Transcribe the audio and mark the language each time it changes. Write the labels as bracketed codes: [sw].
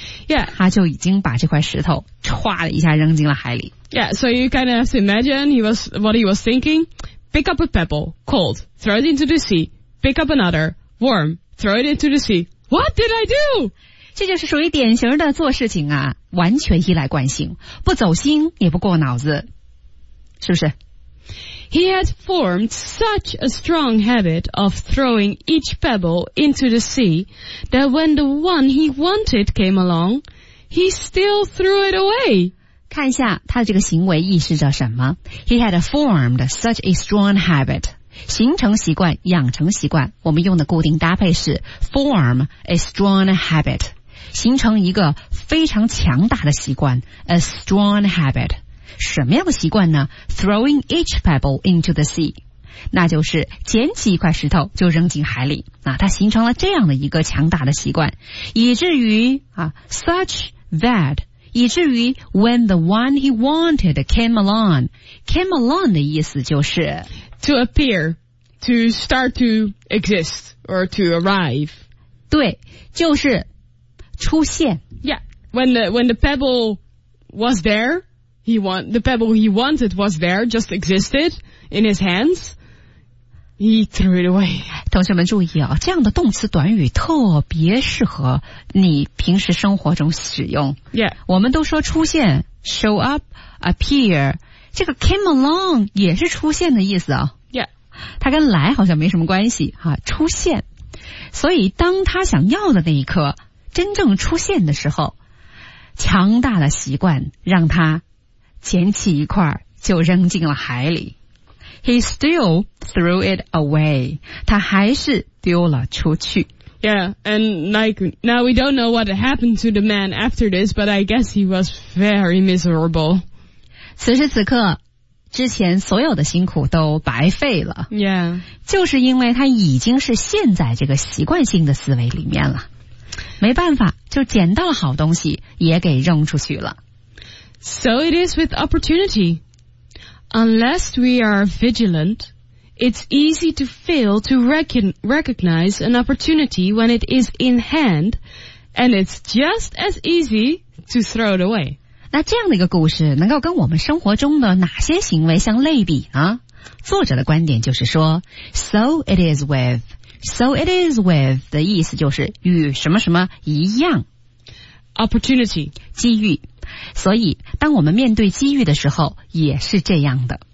[en] ，Yeah， [zh] 他就已经把这块石头唰的一下扔进了海里。 [en] Yeah， so you kind of have to imagine what he was thinking. Pick up a pebble, cold, throw it into the sea. Pick up another, warm, throw it into the sea. What did I do？ [zh] 这就是属于典型的做事情啊，完全依赖惯性，不走心也不过脑子，是不是？ [en] He had formed such a strong habit of throwing each pebble into the sea that when the one he wanted came along, he still threw it away. [zh] 看一下他的这个行为意识着什么。 [en] He had formed such a strong habit. [zh] 形成习惯，养成习惯，我们用的固定搭配是 [en] form a strong habit， [zh] 形成一个非常强大的习惯， [en] a strong habit。 [zh] 什么样的习惯呢？ [en] throwing each pebble into the sea， [zh] 那就是捡起一块石头就扔进海里。那它形成了这样的一个强大的习惯，以至于啊 [en] such that， [zh] 以至于 [en] when the one he wanted came along， came along [zh] 的意思就是 [en] To appear, to start to exist, or to arrive. [zh] 对，就是出现。 [en] Yeah, when the pebble was there, the pebble he wanted was there, just existed in his hands. He threw it away. [zh] 同学们注意啊，这样的动词短语特别适合你平时生活中使用。 [en] Yeah, [zh] 我们都说出现 ， [en] show up, appear. [zh] 这个 [en] came along [zh] 也是出现的意思啊、哦、 [en] ，Yeah， [zh] 它跟来好像没什么关系哈、啊，出现。所以当他想要的那一刻真正出现的时候，强大的习惯让他捡起一块就扔进了海里。 [en] He still threw it away， [zh] 他还是丢了出去。 [en] Yeah， and like now we don't know what happened to the man after this， but I guess he was very miserable. [zh] 此时此刻之前所有的辛苦都白费了。 [en] Yeah. [zh] 就是因为他已经是陷在这个习惯性的思维里面了。没办法，就捡到了好东西也给扔出去了。 [en] So it is with opportunity. Unless we are vigilant, it's easy to fail to recognize an opportunity when it is in hand, and it's just as easy to throw it away. [zh] 那这样的一个故事能够跟我们生活中的哪些行为相类比呢？作者的观点就是说 [en] So it is with [zh] So it is with 的意思就是与什么什么一样 [en] Opportunity [zh] 机遇所以当我们面对机遇的时候也是这样的